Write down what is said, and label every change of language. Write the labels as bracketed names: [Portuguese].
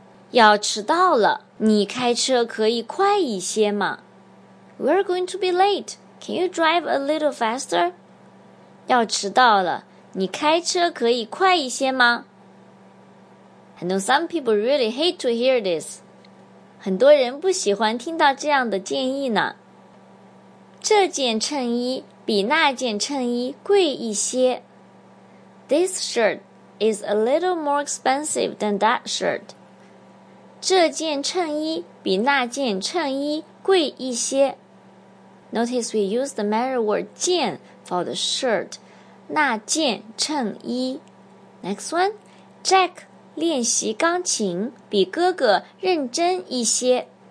[Chinese] 要迟到了,你开车可以快一些吗? [English] We're going to be late. Can you drive a little faster? [Chinese] 要迟到了,你开车可以快一些吗? [English] I know some people really hate to hear this. [Chinese] 很多人不喜欢听到这样的建议呢。这件衬衣比那件衬衣贵一些。 [English] This shirt is a little more expensive than that shirt. [Chinese] 这件衬衣比那件衬衣贵一些。 [English] Notice we use the mirror word 件 for the shirt. [Chinese] 那件衬衣。 [English] Next one, Jack. [Chinese] 练习钢琴比哥哥认真一些。